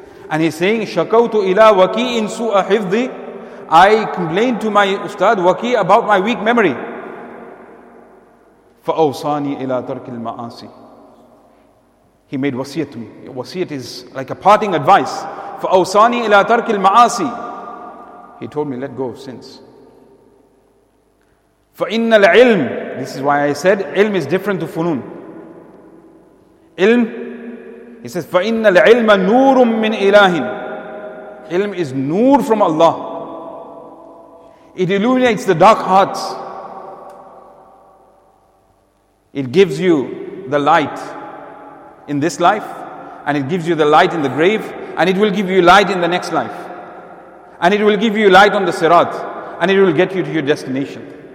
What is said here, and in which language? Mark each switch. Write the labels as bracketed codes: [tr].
[en] And he's saying, [ar] Shakawtu ila waki'in su'a hifzi. [en] I complained to my ustad waki about my weak memory. [ar] Fa'awsani ila tarkil ma'asi. [en] He made wasiyat to me. Wasiyat is like a parting advice. [ar] فأوصاني إلى ترك المعاصي. [en] He told me, let go of sins. [ar] فإن العلم, [en] this is why I said, علم is different to فنون. [ar] علم, [en] he says, [ar] فإن العلم نور من إله. [en] علم is نور from Allah. It illuminates the dark hearts. It gives you the light in this life, and it gives you the light in the grave, and it will give you light in the next life, and it will give you light on the sirat, and it will get you to your destination.